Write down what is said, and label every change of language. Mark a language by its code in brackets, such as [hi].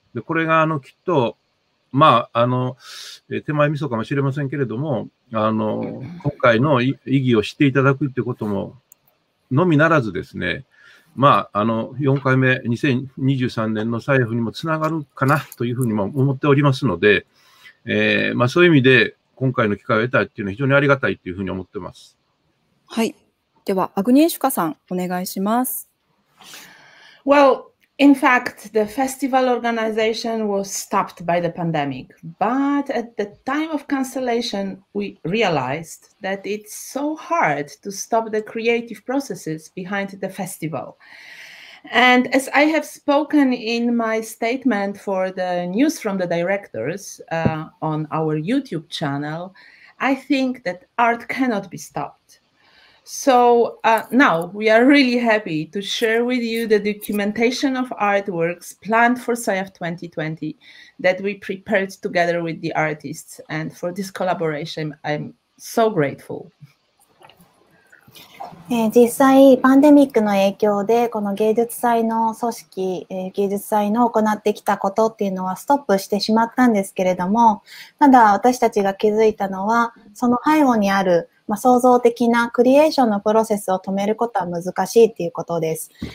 [ja] で、これがあのきっと、まあ、あの、手前味噌かもしれませんけれども、あの、今回の意義を知っていただくってことも、のみならずですね、まあ、あの、4回目、2023年の財布にもつながるかな、というふうにも思っておりますので、まあ、そういう意味で、今回の機会を得たいっていうのは非常にありがたいっていうふうに思ってます。はい。では、アグニエシュカさん、お願いします。 [en] Well,In fact, the festival organization was stopped by the pandemic. But at the time of cancellation, we realized that it's so hard to stop the creative processes behind the festival. And as I have spoken in my statement for the news from the directors, on our YouTube channel, I think that art cannot be stopped. So, now we are really happy to share with you the documentation of artworks planned for SAIF 2020 that we prepared together with the artists. And for this collaboration, I'm so grateful. [ja] 実際、パンデミックの影響で、この芸術祭の組織、芸術祭の行ってきたことっていうのはストップしてしまったんですけれども、ただ私たちが気づいたのは、その背後にあるまあ、創造的なクリエーションのプロセスを止めることは難しいっていうことです。